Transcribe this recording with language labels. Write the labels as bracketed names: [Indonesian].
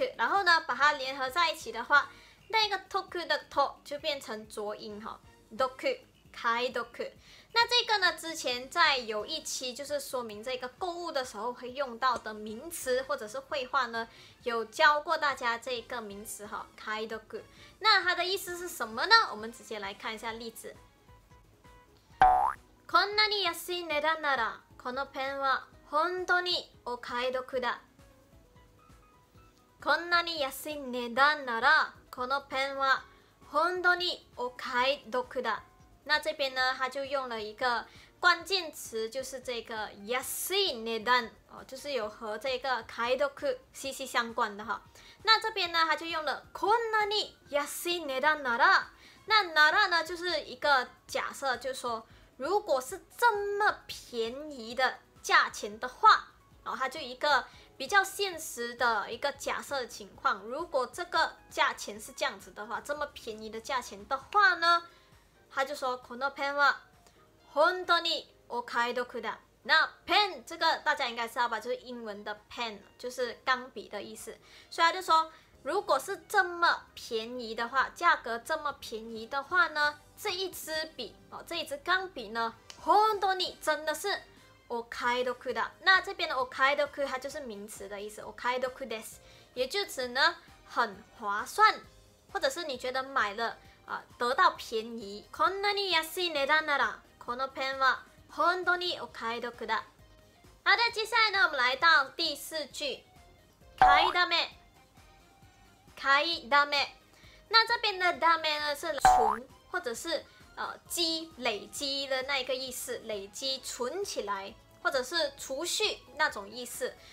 [Chinese] 然后呢，把它联合在一起的话，那个毒的毒就变成浊音哈，毒，解毒。那这个呢，之前在有一期就是说明这个购物的时候会用到的名词或者是绘画呢，有教过大家这个名词哈，解毒。那它的意思是什么呢？我们直接来看一下例子。 [Japanese] こんなに安い値段ならこのペンは本当にお買い得だ。こんなに安い値段ならこのペンは本当にお買い得だ。 [Chinese] 那这边呢，他就用了一个关键词，就是这个安い値段哦，就是有和这个買い得息息相关的哈。那这边呢，他就用了 [Japanese] こんなに安い値段なら， [Chinese] 那なら呢就是一个假设，就是说如果是这么便宜的价钱的话，哦，它就一个比较现实的一个假设情况。如果这个价钱是这样子的话，这么便宜的价钱的话呢？他就说 [Japanese] このペンは本当にお買い得だ。 [Chinese] 那 pen 这个大家应该知道吧，就是英文的 pen， 就是钢笔的意思。所以他就说如果是这么便宜的话，价格这么便宜的话呢，这一支笔，这一支钢笔呢，本当に真的是お買い得だ。那这边的お買い得它就是名词的意思，お買い得です，也就指呢很划算，或者是你觉得买了得到便宜。 [Japanese] こんなに安い値段ならこのペンは本当にお買い得だ。 [Chinese] 好的，接下来呢，我们来到第四句。買いだめ，買いだめ。那这边的だめ呢是存或者是积累积的那一个意思，累积存起来或者是储蓄那种意思。